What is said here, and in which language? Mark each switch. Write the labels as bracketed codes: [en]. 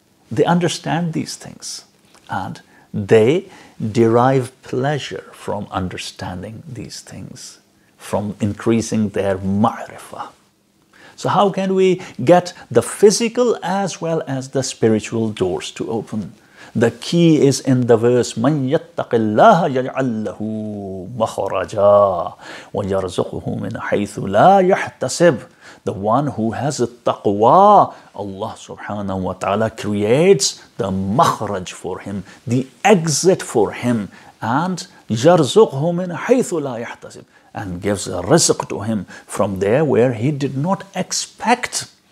[en] They understand these things and they derive pleasure from understanding these things, from increasing their ma'rifah. So how can we get the physical as well as the spiritual doors to open? The key is in the verse, [ar] مَنْ يَتَّقِ اللَّهَ يَجْعَلْ لَهُ مَخْرَجًا وَيَرْزُقْهُ مِنْ حَيْثُ لَا يَحْتَسِبُ. [en] The one who has a taqwa, Allah subhanahu wa ta'ala creates the makhraj for him, the exit for him, and yarzuqhu min haythu la yahtasib, and gives a rizq to him from there where he did not expect.